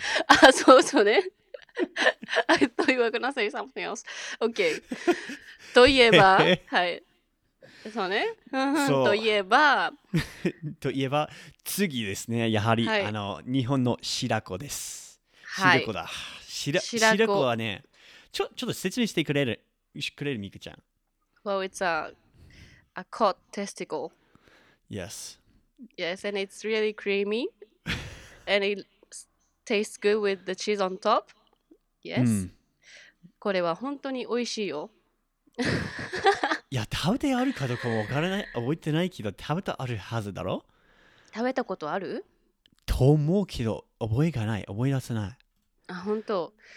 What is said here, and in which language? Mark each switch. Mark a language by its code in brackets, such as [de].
[ja] あ、そうそうね [en] I thought you were gonna say something else OK [ja] といえばはい、そうね。そうといえば次ですね。やはり、はい、あの日本の白子です。はい、白子だ。白子はね、ちょっと説明してくれるミクちゃん。 [en] Well, it's a cod testicle. Yes. Yes, and it's really creamy, and it tastes good with the cheese on top. Yes.、 [ja] うん、これは本当に美味しいよ。いや、食べてあるかどうかも分からない、覚えてないけど、食べたあるはずだろ？食べたことある？と思うけど、覚えがない、思い出せない。あ、ほんと。